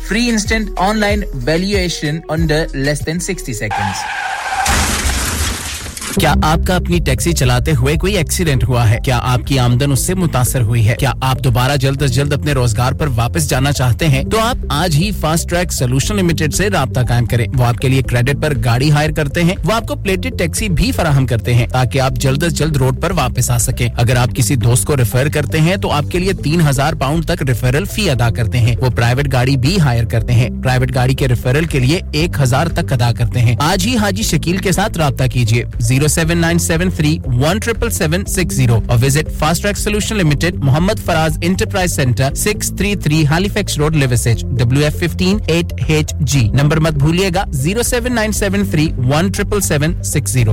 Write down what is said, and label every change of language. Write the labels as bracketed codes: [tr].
[en] Free instant online valuation under less than 60 seconds. [ur] کیا آپ کا اپنی ٹیکسی چلاتے ہوئے کوئی ایکسیڈنٹ ہوا ہے؟ کیا آپ کی آمدن اس سے متاثر ہوئی ہے؟ کیا آپ دوبارہ جلد از جلد اپنے روزگار پر واپس جانا چاہتے ہیں؟ تو آپ آج ہی فاسٹ ٹریک سولوشن لمیٹڈ سے رابطہ قائم کریں. وہ آپ کے لیے کریڈٹ پر گاڑی ہائر کرتے ہیں, وہ آپ کو پلیٹڈ ٹیکسی بھی فراہم کرتے ہیں تاکہ آپ جلد از جلد روڈ پر واپس آ سکیں. اگر آپ کسی دوست کو ریفر کرتے ہیں تو آپ کے لیے 3000 پاؤنڈ تک ریفرل فی ادا کرتے ہیں. وہ پرائیویٹ گاڑی بھی ہائر کرتے ہیں, پرائیویٹ گاڑی کے ریفرل کے لیے 1000 تک ادا کرتے ہیں. آج ہی حاجی شکیل کے ساتھ رابطہ کیجیے 07973-177760 [en] or visit Fast Track Solution Limited, Muhammad Faraz Enterprise Center, 633 Halifax Road, Liversedge, WF158HG. [ur] Number mat bhuliyega 07973-177760.